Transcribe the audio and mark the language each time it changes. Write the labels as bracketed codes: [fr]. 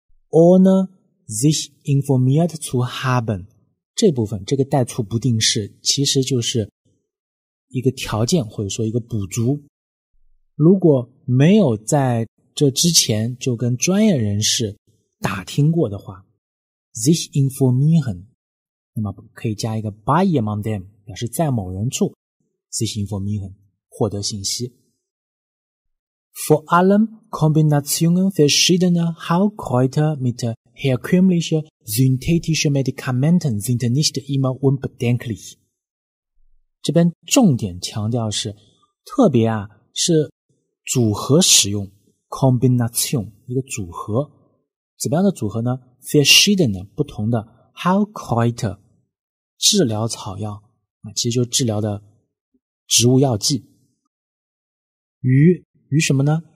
[de] ohne sich informiert zu haben， [zh] 这部分这个代促不定式其实就是一个条件或者说一个补足，如果没有在这之前就跟专业人士打听过的话， sich informieren， 那么可以加一个 by among them， 表示在某人处 sich informieren 获得信息。 [de] Vor allem Kombinationen verschiedener Heilkräuter mit herkömmlichen synthetischen Medikamenten sind nicht immer unbedenklich。 [zh] 这边重点强调是特别啊，是组合使用 combination， 一个组合，怎么样的组合呢？ verschiedene 不同的 Heilkräuter 治疗草药，其实就是治疗的植物药剂，与什么呢？